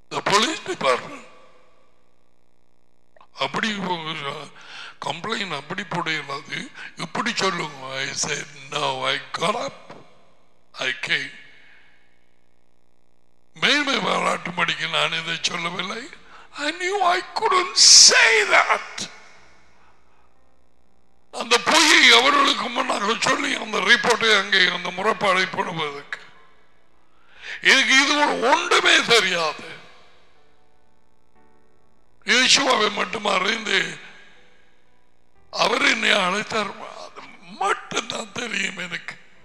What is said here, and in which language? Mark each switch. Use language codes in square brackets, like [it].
[ta] Police department அப்படி complaint அப்படி போடாது, இப்படி சொல்லுங்க. [en] I said, no, I got up, I came. [ta] மேல்மை வரலாற்று படிக்க நான் இதை சொல்லவில்லை. [en] I knew I couldn't say that. [ta] அந்த பொய்யை அவர்களுக்கு முன்னாக சொல்லி அந்த ரிப்போர்ட்டை அங்கே அந்த முறைப்பாடை போடுவதற்கு எனக்கு இது ஒன்றுமே தெரியாது. யேசுவாவை மட்டும் அறிந்து அவர் என்னை அழைத்தார் மட்டும்தான் தெரியும் எனக்கு.